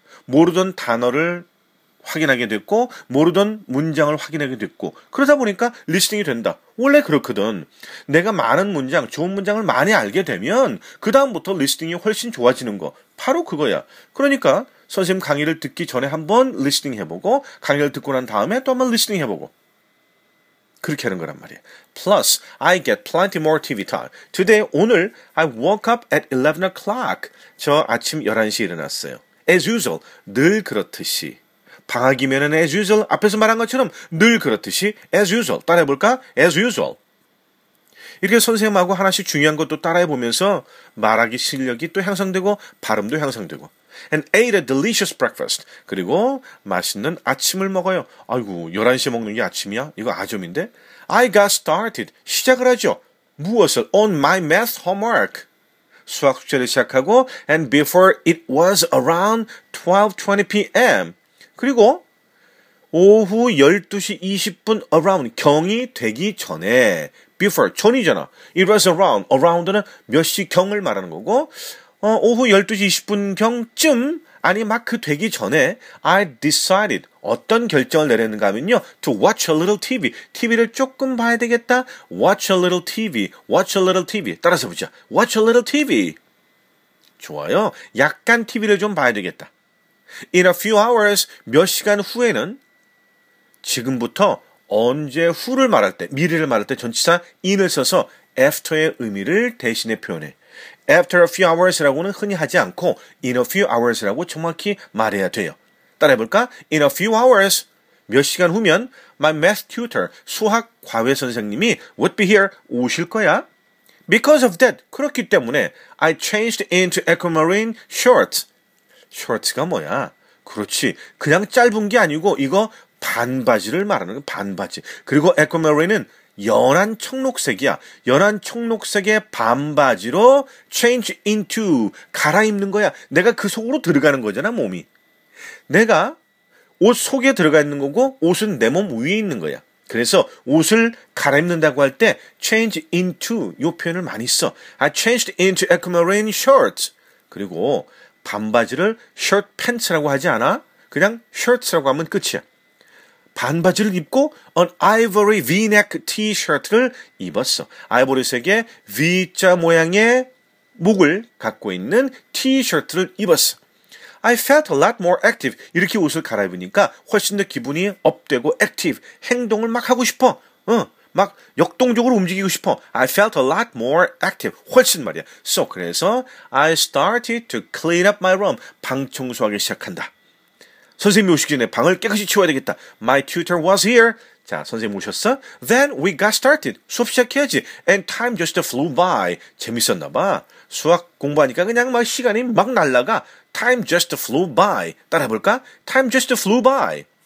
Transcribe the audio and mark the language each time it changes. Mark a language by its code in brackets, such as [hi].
[ko] 모르던 단어를 확인하게 됐고 모르던 문장을 확인하게 됐고 그러다 보니까 리스팅이 된다. 원래 그렇거든. 내가 많은 문장, 좋은 문장을 많이 알게 되면 그 다음부터 리스팅이 훨씬 좋아지는 거 바로 그거야. 그러니까 선생님 강의를 듣기 전에 한번 리스팅 해보고 강의를 듣고 난 다음에 또 한번 리스팅 해보고 그렇게 하는 거란 말이야. [en] Plus, I get plenty more TV time. Today, [ko] 오늘, [en] I woke up at 11 o'clock. [ko] 저 아침 11시에 일어났어요. [en] As usual, [ko] 늘 그렇듯이. 방학이면은 [en] as usual, [ko] 앞에서 말한 것처럼 늘 그렇듯이 as usual. 따라해볼까? [en] As usual. [ko] 이렇게 선생님하고 하나씩 중요한 것도 따라해보면서 말하기 실력이 또 향상되고 발음도 향상되고 [en] And ate a delicious breakfast. [ko] 그리고 맛있는 아침을 먹어요. 아이고, 11시에 먹는 게 아침이야? 이거 아점인데? [en] I got started. [ko] 시작을 하죠. 무엇을? [en] On my math homework. [ko] 수학 숙제를 시작하고 [en] And before it was around 12:20 p.m. [ko] 그리고 오후 12시 20분 around 경이 되기 전에 before 전이잖아. [en] It was around. [ko] around는 몇 시 경을 말하는 거고 오후 12시 20분경쯤 아니 막 그 되기 전에 [en] I decided [ko] 어떤 결정을 내렸는가 하면요. [en] To watch a little TV. [ko] TV를 조금 봐야 되겠다. [en] Watch a little TV. Watch a little TV. [ko] 따라서 보자. [en] Watch a little TV. [ko] 좋아요. 약간 TV를 좀 봐야 되겠다. [en] In a few hours, [ko] 몇 시간 후에는 지금부터 언제 후를 말할 때, 미래를 말할 때 전치사 in을 써서 after의 의미를 대신에 표현해. [en] After a few hours [ko] 라고는 흔히 하지 않고 [en] in a few hours [ko] 라고 정확히 말해야 돼요. 따라해볼까? [en] In a few hours, [ko] 몇 시간 후면 [en] my math tutor, [ko] 수학 과외 선생님이 [en] would be here, [ko] 오실 거야. [en] Because of that, [ko] 그렇기 때문에 [en] I changed into aquamarine shorts. [ko] Shorts가 뭐야? 그렇지, 그냥 짧은 게 아니고 이거 반바지를 말하는 거야, 반바지. 그리고 aquamarine은 연한 청록색이야. 연한 청록색의 반바지로 change into, 갈아입는 거야. 내가 그 속으로 들어가는 거잖아, 몸이. 내가 옷 속에 들어가 있는 거고 옷은 내 몸 위에 있는 거야. 그래서 옷을 갈아입는다고 할 때 [en] change into [ko] 요 표현을 많이 써. [en] I changed into aquamarine shorts. [ko] 그리고 반바지를 short pants라고 하지 않아? 그냥 shorts라고 하면 끝이야. 반바지를 입고 [en] an ivory v-neck t-shirt [ko] 를 입었어. 아이보리색의 V자 모양의 목을 갖고 있는 t-shirt를 입었어. [en] I felt a lot more active. [ko] 이렇게 옷을 갈아입으니까 훨씬 더 기분이 업되고 active. 행동을 막 하고 싶어. 막 역동적으로 움직이고 싶어. [en] I felt a lot more active. [ko] 훨씬 말이야. [en] So, [ko] 그래서 [en] I started to clean up my room. [ko] 방 청소하기 시작한다. 선생님이 오시기 전에 방을 깨끗이 치워야 되겠다. [en] My tutor was here. [ko] 자, 선생님 오셨어? [en] Then we got started. [ko] 수업 시작해야지. [en] And time just flew by. [ko] 재밌었나 봐. 수학 공부하니까 그냥 막 시간이 막 날아가. [en] Time just flew by. [ko] 따라해볼까? [en] Time just flew by.